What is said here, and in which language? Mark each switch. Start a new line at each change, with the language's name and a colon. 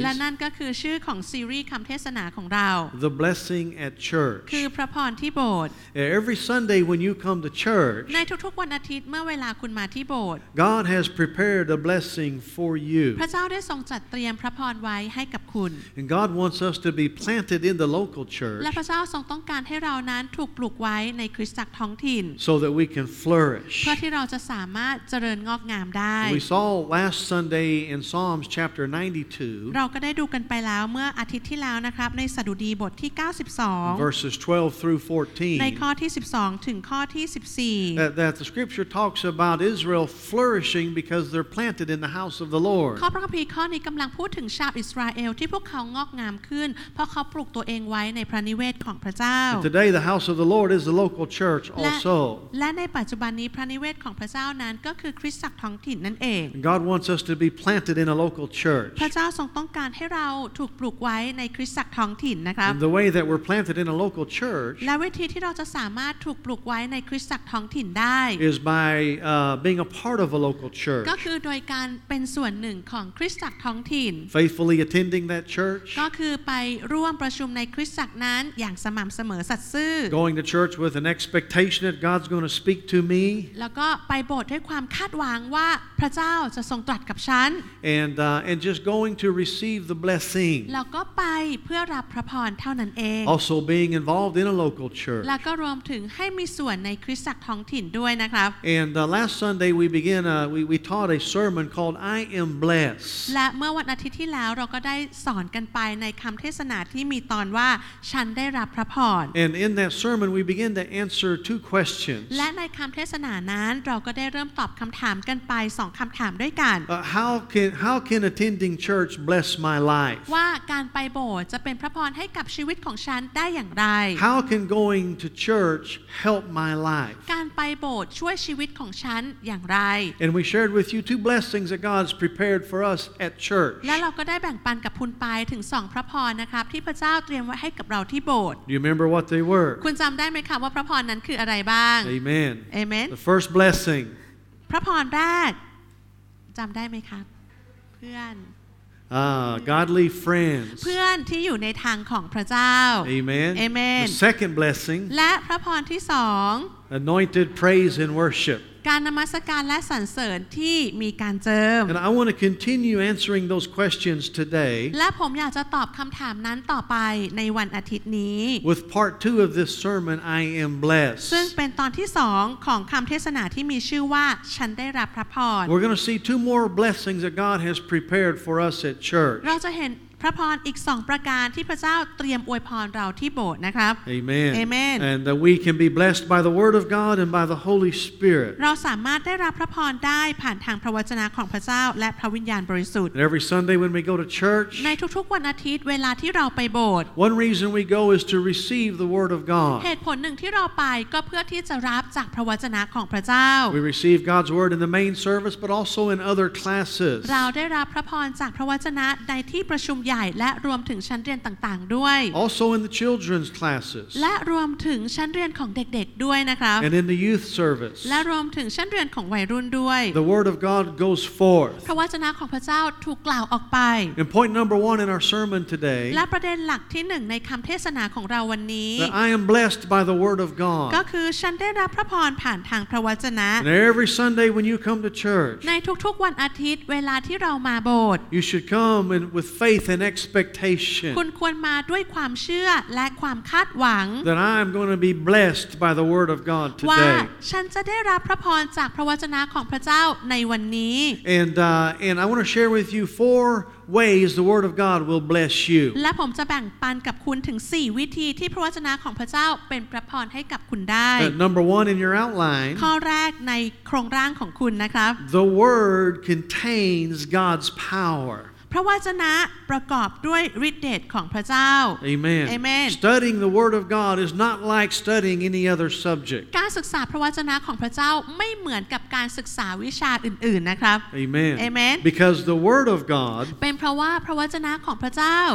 Thai: และนั่นก็คือชื่อของซีรีส์คำเทศนาของเรา
English: The blessing at church.
Thai: คือพระพรที่โบสถ์
English: Every Sunday when you come to church,
Thai: ในทุกๆวันอาทิตย์เมื่อเวลาคุณมาที่โบสถ์
English: God has prepared a blessing for you.
Thai: พระเจ้าได้ทรงจัดเตรียมพระพรไว้ให้กับคุณ
English: And God wants us to be planted in the local church.
Thai: และพระเจ้าทรงต้องการให้เรานั้นถูกปลูกไว้ในคริสตจักรท้องถิ่น
English: So that we can flourish.
Thai: เพื่อที่เราจะสามารถเจริญงอกงามได้
English: We saw last Sunday in Psalms chapter 92
Thai: เราก็ได้ดูกันไปแล้วเมื่ออาทิตย์ที่แล้วนะครับในสดุดีบทที่92
English: verses 12 through 14
Thai: ในข้อที่12ถึงข้อที่14
English: that the scripture talks about Israel flourishing because they're planted in the house of the Lord
Thai: ข้อพระคัมภีร์ข้อนี้กำลังพูดถึงชาวอิสราเอลที่พวกเขางอกงามขึ้นเพราะเขาปลูกตัวเองไว้ในพระนิเวศของพระเจ้า
English: Today the house of the Lord is the local church also
Thai: และในปัจจุบันนี้พระนิเวศของพระเจ้านั้นก็คือคริสตจักรท้องถิ่นนั่นเอง
English: Wants us to be planted in a local church.
Thai: พระเจ้าทรงต้องการให้เราถูกปลูกไว้ในคริสตจักรท้องถิ่นนะครับ
English: And the way that we're planted in a local church.
Thai: และวิธีที่เราจะสามารถถูกปลูกไว้ในคริสตจักรท้องถิ่นได้
English: is by being a part of a local church.
Thai: ก็คือโดยการเป็นส่วนหนึ่งของคริสตจักรท้องถิ่น
English: faithfully attending that church.
Thai: ก็คือไปร่วมประชุมในคริสตจักรนั้นอย่างสม่ำเสมอสัตย์ซื่อ
English: going to church with an expectation that God's going to speak to me.
Thai: แล้วก็ไปโบสถ์ด้วยความคาดหวังว่าพระเจ้าจะทรงตรัสกับฉัน
English: and just going to receive the blessing
Thai: แล้วก็ไปเพื่อรับพระพรเท่านั้นเอง
English: also being involved in a local church
Thai: แล้วก็รวมถึงให้มีส่วนในคริสตจักรท้องถิ่นด้วยนะครับ
English: and last Sunday we began we taught a sermon called I am blessed
Thai: และเมื่อวันอาทิตย์ที่แล้วเราก็ได้สอนกันไปในคำเทศนาที่มีตอนว่าฉันได้รับพระพร
English: and in that sermon we began to answer two questions
Thai: และในคำเทศนานั้นเราก็ได้เริ่มตอบคำถามกันไป2คำถามด้วย
English: How can attending church bless my life?
Thai: ว่าการไปโบสถ์จะเป็นพระพรให้กับชีวิตของฉันได้อย่างไร
English: How can going to church help my life?
Thai: การไปโบสถ์ช่วยชีวิตของฉันอย่างไร
English: And we shared with you two blessings that God's prepared for us at church.
Thai: และเราก็ได้แบ่งปันกับคุณไปถึง2พระพรนะครับที่พระเจ้าเตรียมไว้ให้กับเราที่โบสถ์
English: Do you remember what they were?
Thai: คุณจำได้ไหมคะว่าพระพรนั้นคืออะไรบ้าง
English: Amen. Amen. The first blessing.
Thai: พระพรแรกจำได้ไหมครับเพื่อน
English: godly friends
Thai: เพื่อนที่อยู่ในทางของพระเจ้า
English: amen amen the second blessing
Thai: และพระพรที่สอง
English: anointed praise and worship
Thai: การนมัสการและสรรเสริญที่มีการเจิม
English: and I want to continue answering those questions today
Thai: และผมอยากจะตอบคำถามนั้นต่อไปในวันอาทิตย์นี้
English: with part 2 of this sermon I am blessed
Thai: ซึ่งเป็นตอนที่สองของคำเทศนาที่มีชื่อว่าฉันได้รับพระพร
English: we're going to see two more blessings that God has prepared for us at church
Thai: เราจะเห็นพระพรอีก2ประการที่พระเจ้าเตรียมอวยพรเราที่โบสถ์นะครับ
English: Amen. Amen. And that we can be blessed by the word of God and by the Holy Spirit.
Thai: เราสามารถได้รับพระพรได้ผ่านทางพระวจนะของพระเจ้าและพระวิญญาณบริสุทธิ์
English: And every Sunday when we go to church.
Thai: ในทุกๆวันอาทิตย์เวลาที่เราไปโบสถ์
English: One reason we go is to receive the word of God.
Thai: เหตุผลหนึ่งที่เราไปก็เพื่อที่จะรับจากพระวจนะของพระเจ้า
English: We receive God's word in the main service but also in other classes.
Thai: เราได้รับพระพรจากพระวจนะในที่ประชุมและรวมถึงชั้นเรียนต่างๆด้วย
English: Also in the children's classes
Thai: และรวมถึงชั้นเรียนของเด็กๆด้วยนะครับ
English: And in the youth service
Thai: และรวมถึงชั้นเรียนของวัยรุ่นด้วย
English: The word of God goes forth
Thai: พระวจนะของพระเจ้าถูกกล่าวออกไป
English: And point number 1 in our sermon today
Thai: และประเด็นหลักที่1ในคำเทศนาของเราวันนี้
English: That I am blessed by the word of God
Thai: ก็คือฉันได้รับพระพรผ่านทางพระวจนะ
English: And every Sunday when you come to church
Thai: ในทุกๆวันอาทิตย์เวลาที่เรามาโบสถ์
English: You should come and with faith andexpectation
Thai: คุณควรมาด้วยความเชื่อและความคาดหวัง
English: that I am going to be blessed by the word of God today
Thai: ว่าฉันจะได้รับพระพรจากพระวจนะของพระเจ้าในวันนี้
English: and I want to share with you four ways the word of God will bless you
Thai: และผมจะแบ่งปันกับคุณถึง4วิธีที่พระวจนะของพระเจ้าเป็นพระพรให้กับคุณได้
English: number 1 in your outline
Thai: ข้อแรกในโครงร่างของคุณนะครับ
English: the word contains God's power
Thai: พระวจนะประกอบด้วยฤทธิ์เดชของพระเจ้า
English: Amen. Amen. Studying the word of God is not like studying any other subject.
Thai: การศึกษาพระวจนะของพระเจ้าไม่เหมือนกับการศึกษาวิชาอื่นๆนะครับ
English: Amen. Amen. Because the word of God
Thai: เป็นเพราะว่าพระวจนะของพระเจ้า